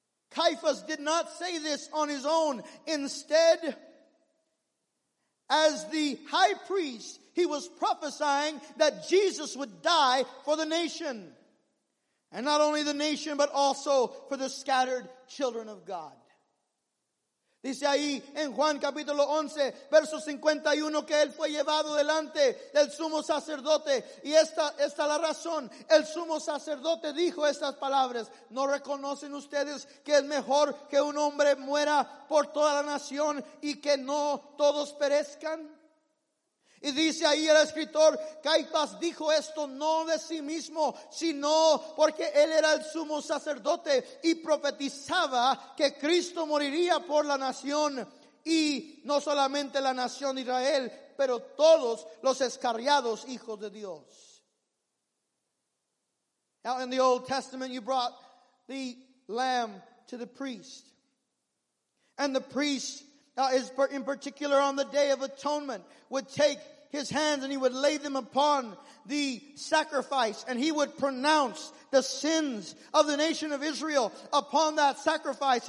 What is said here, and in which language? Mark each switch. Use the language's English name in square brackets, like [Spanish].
[English] Caiaphas did not say this on his own. Instead, as the high priest, he was prophesying that Jesus would die for the nation. And not only the nation, but also for the scattered children of God. [Spanish] Dice ahí en Juan capítulo 11, verso 51, que él fue llevado delante del sumo sacerdote. Y esta la razón. El sumo sacerdote dijo estas palabras. ¿No reconocen ustedes que es mejor que un hombre muera por toda la nación y que no todos perezcan? Y dice ahí el escritor, Caifás dijo esto no de sí mismo, sino porque él era el sumo sacerdote y profetizaba que Cristo moriría por la nación y no solamente la nación de Israel, pero todos los escarriados hijos de Dios. [English] Now in the Old Testament you brought the lamb to the priest. And the priest is in particular on the Day of Atonement would take his hands and he would lay them upon the sacrifice and he would pronounce the sins of the nation of Israel upon that sacrifice.